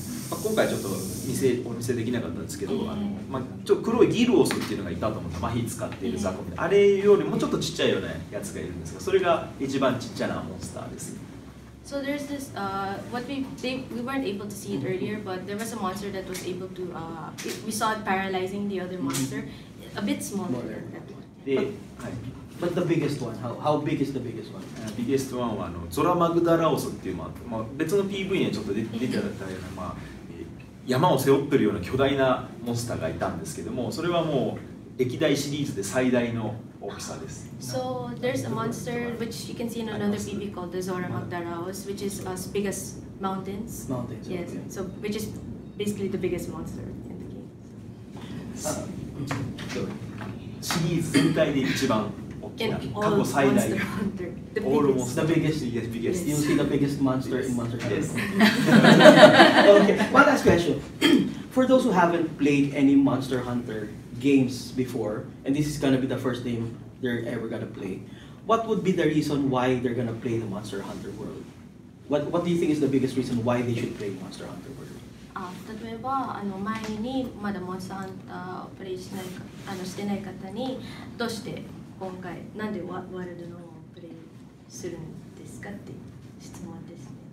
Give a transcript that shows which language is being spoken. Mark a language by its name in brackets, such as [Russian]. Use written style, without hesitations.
[Japanese] まあ、今回ちょっとお見せできなかったんですけど、まあ、ちょっと黒いギルオスっていうのがいたと思った、麻痺使っているザコみたいな、あれよりもちょっとちっちゃいようなやつがいるんですが、それが一番ちっちゃなモンスターです。 [English] So there's this, what we weren't able to see it earlier, but there was a monster that was able to, we saw it paralyzing the other monster, a bit smaller than that one. But the biggest one, how big is the biggest one? The biggest one [Japanese] はゾラマグダラオスっていう、まあ、別の PV にはちょっと出てたような、まあ、山を背負ってるような巨大なモンスターがいたんですけども、それはもう歴代シリーズで最大の大きさです。 [English] So there's a monster which you can see in another PV called the Zora Magdaraos, which is as big as mountains. Mountains. Yes. So which is basically the biggest monster in the game. [Japanese] です。シリーズ全体で一番大きな、過去最大の。 [English] オールモンスター、biggest, yes, biggest. You see the biggest monster in Monster Hunter. Yes. Okay, one last question. For those who haven't played any Monster Hunter games before, and this is gonna be the first game they're ever gonna play, what would be the reason why they're gonna play the Monster Hunter World? What do you think is the biggest reason why they should play Monster Hunter World? [Japanese] 例えばあの前にまだモンスターハンターをプレイしないあのしてない方にどうして今回なんでワールドのをプレイするんですかって質問ですね。